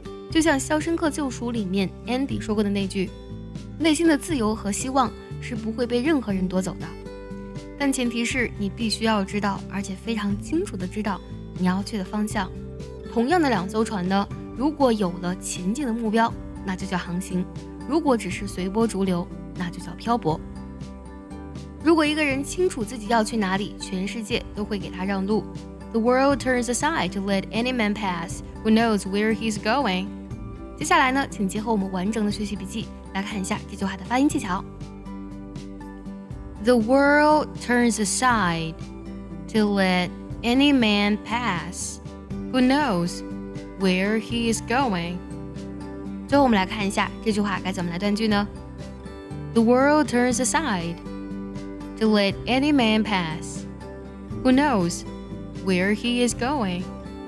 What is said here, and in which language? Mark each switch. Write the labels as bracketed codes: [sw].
[zh] 就像《肖申克救赎》里面 Andy 说过的那句，内心的自由和希望是不会被任何人夺走的，但前提是你必须要知道，而且非常清楚地知道你要去的方向。同样的两艘船呢，如果有了前进的目标，那就叫航行；如果只是随波逐流，那就叫漂泊。如果一个人清楚自己要去哪里，全世界都会给他让路。 [en] The world turns aside to let any man pass who knows where he's going。 [zh] 接下来呢，请结合我们完整的学习笔记来看一下这句话的发音技巧。 [en] The world turns aside to let any man pass who knows where he is going. [zh] 最后我们来看一下这句话该怎么来断句呢？ [en] The world turns aside to let any man pass who knows where he is going.